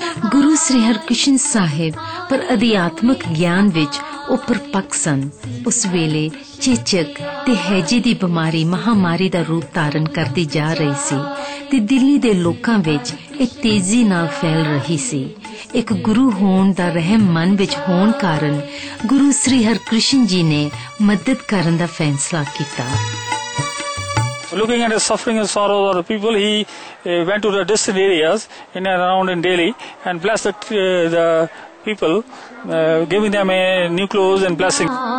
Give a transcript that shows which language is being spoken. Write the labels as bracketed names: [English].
[Punjabi] Guru Sri Harkishan Sahib par adhyatmik gyan vich ਉੱਪਰ ਪੱਕ ਸਨ। ਉਸ ਵੇਲੇ ਚੇਚਕ ਤੇ ਹੈਜੇ ਦੀ ਬਿਮਾਰੀ ਮਹਾਮਾਰੀ ਦਾ ਰੂਪ ਧਾਰਨ ਕਰਦੀ ਜਾ ਰਹੀ ਸੀ ਤੇ ਦਿੱਲੀ ਦੇ ਲੋਕਾਂ ਵਿੱਚ ਇਹ ਤੇਜ਼ੀ ਨਾਲ ਫੈਲ ਰਹੀ ਸੀ। ਇੱਕ ਗੁਰੂ ਹੋਣ ਦਾ ਰਹਿਮ ਮਨ ਵਿੱਚ ਹੋਣ ਕਾਰਨ ਗੁਰੂ ਸ੍ਰੀ ਹਰਕ੍ਰਿਸ਼ਨ ਜੀ ਨੇ ਮਦਦ ਕਰਨ ਦਾ ਫੈਸਲਾ ਕੀਤਾ। [English] Looking at the suffering and sorrow of the people, he went to the distant areas in and around in Delhi and blessed the people, giving them a new clothes and blessing.